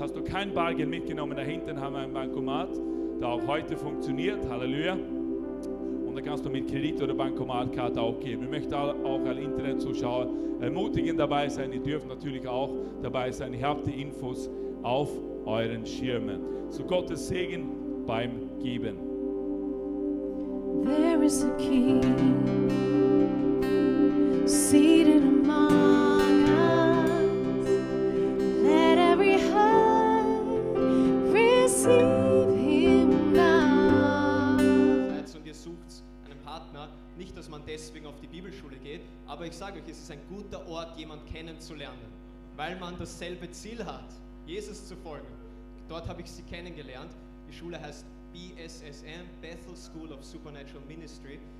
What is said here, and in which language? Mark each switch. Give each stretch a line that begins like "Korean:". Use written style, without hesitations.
German: Hast du kein Bargeld mitgenommen, da hinten haben wir ein Bankomat, der auch heute funktioniert. Halleluja. Und da kannst du mit Kredit oder Bankomatkarte auch geben. Ich möchte auch als Internetzuschauer ermutigen, dabei sein. Ihr dürft natürlich auch dabei sein. Ihr habt die Infos auf euren Schirmen. So Gottes Segen beim Geben.
English: There is a king seated among us. Let every heart receive him now.
German: Und ihr sucht einen Partner, nicht dass man deswegen auf die Bibelschule geht, aber ich sage euch, es ist ein guter Ort, jemanden kennenzulernen, weil man dasselbe Ziel hat, Jesus zu folgen. Dort habe ich sie kennengelernt. Die Schule heißt BSSM, Bethel School of Supernatural Ministry.